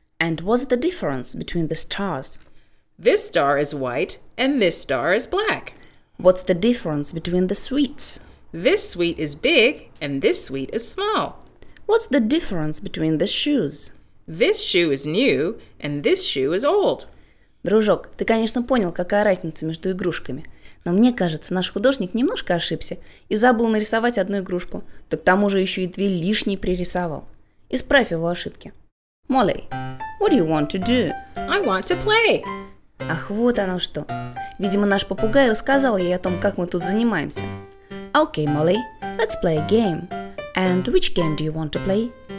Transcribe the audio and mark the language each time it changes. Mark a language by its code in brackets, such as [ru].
[en] And what's the difference between the stars? This star is white and this star is black. What's the difference between the sweets? This sweet is big and this sweet is small. What's the difference between the shoes? This shoe is new and this shoe is old. [ru] Дружок, ты, конечно, понял, какая разница между игрушками. Но мне кажется, наш художник немножко ошибся и забыл нарисовать одну игрушку, да к тому же еще и две лишние пририсовал. Исправь его ошибки. Молли, [en] what do you want to do? I want to play. [ru] Ах, вот оно что. Видимо, наш попугай рассказал ей о том, как мы тут занимаемся. [en] Okay, Molly, let's play a game. And which game do you want to play?